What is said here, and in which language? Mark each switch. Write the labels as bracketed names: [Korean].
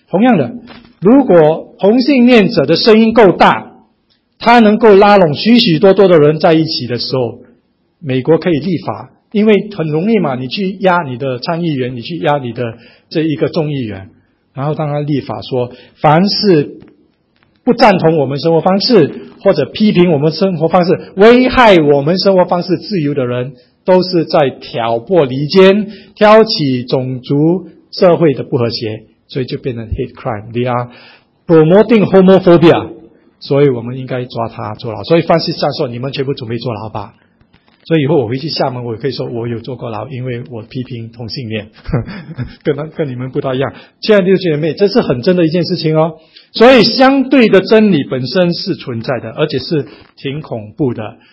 [Chinese] 同样的，如果同性恋者的声音够大，他能够拉拢许许多多的人在一起的时候，美国可以立法，因为很容易嘛，你去压你的参议员，你去压你的这一个众议员，然后当他立法说，凡是不赞同我们生活方式，或者批评我们生活方式，危害我们生活方式自由的人，都是在挑拨离间，挑起种族社会的不和谐，所以就变成 hate crime. [English] They are promoting homophobia. [Chinese] 所以我们应该抓他坐牢。所以范西斯说，你们全部准备坐牢吧。所以以后我回去厦门，我可以说我有坐过牢，因为我批评同性恋，跟你们不大一样。亲爱的弟兄姐妹，这是很真的一件事情哦。所以相对的真理本身是存在的，而且是挺恐怖的。